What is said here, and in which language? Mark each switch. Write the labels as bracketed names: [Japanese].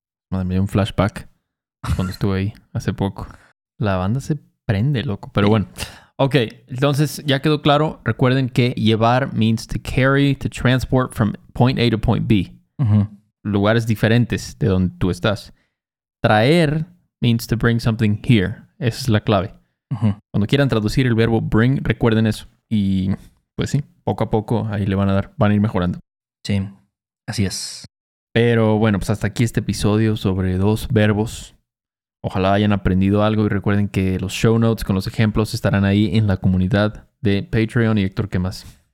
[Spanish] Madre mía, un flashback cuando estuve ahí hace poco. La banda se prende, loco. Pero bueno... Ok, entonces ya quedó claro. Recuerden que llevar [English] means to carry, to transport from point A to point B. Uh-huh. [Spanish] Lugares diferentes de donde tú estás. [English] Traer means to bring something here. [Spanish] Esa es la clave. Uh-huh. Cuando quieran traducir el verbo bring, recuerden eso. Y pues sí, poco a poco ahí le van a dar, van a ir mejorando. Sí, así es. Pero bueno, pues hasta aquí este episodio sobre dos verbos. Ojalá hayan aprendido algo y recuerden que los show notes con los ejemplos estarán ahí en la comunidad de Patreon. Y Héctor, ¿qué más?